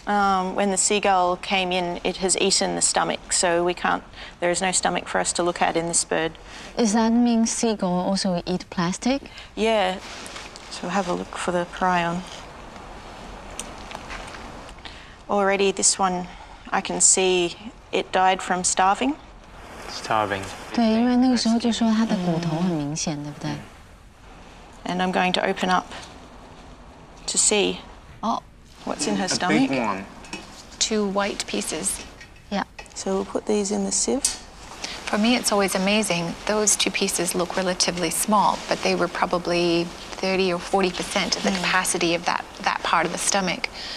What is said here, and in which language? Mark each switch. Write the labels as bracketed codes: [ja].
[en] When the seagull came in, it has eaten the stomach, so there is no stomach for us to look at in this bird. Does that mean seagull also eat plastic? Yeah. So we'll have a look for the prion. Already this one, I can see it died from starving. Starving. [zh] 对，因为那个时候就说它的骨头很明显，对不对？ [en] And I'm going to open up to see what's in her stomach. A big one. Two white pieces. Yeah. So we'll put these in the sieve. For me, it's always amazing. Those two pieces look relatively small, but they were probably 30 or 40% of the capacity of that part of the stomach.